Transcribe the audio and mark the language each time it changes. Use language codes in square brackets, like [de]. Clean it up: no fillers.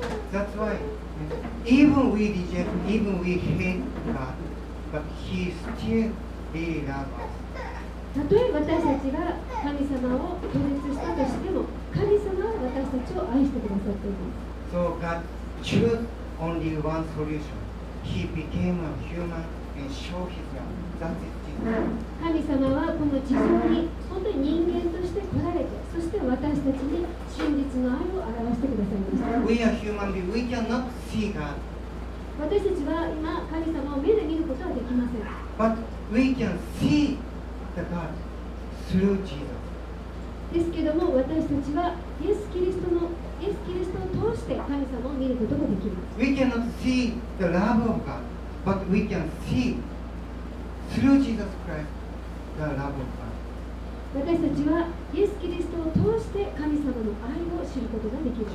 [en] That's why, even we reject, even we hate God, but He still really loves us. [ja] たとえ私たちが神様を拒絶したとしても、神様は私たちを愛してくださっています。 [en] So God chose only one solution. He became a human and showed his love. That's it. [ja] 神様はこの地上に本当に人間として来られて、そして私たちに真実の愛を表してくださいました。 [en] We are human beings. We cannot see God. [ja] 私たちは今神様を目で見ることはできません。 [en] But we can see the God through Jesus. [ja] ですけども私たちはイエス・キリストを通して神様を見ることができます。 [en] We cannot see the love of God, but we can see through Jesus Christ the love of God. [ja] 私たちはイエス・キリストを通して神様の愛を知ることができます。